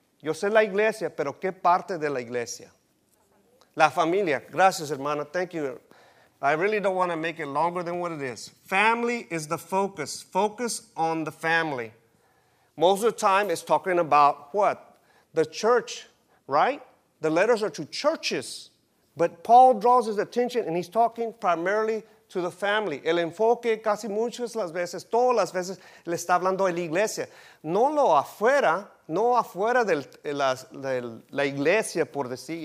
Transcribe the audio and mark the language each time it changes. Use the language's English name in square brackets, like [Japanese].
[Spanish] Yo sé la iglesia, pero ¿qué parte de la iglesia? La familia. Gracias, hermano. [English] Thank you. I really don't want to make it longer than what it is. Family is the focus. Focus on the family. Most of the time, it's talking about what? The church, right? The letters are to churches. But Paul draws his attention, and he's talking primarily to the family. [Spanish] El enfoque casi muchas las veces, todas las veces, le está hablando a la iglesia. No lo afuera, no afuera del, de la iglesia, por decir.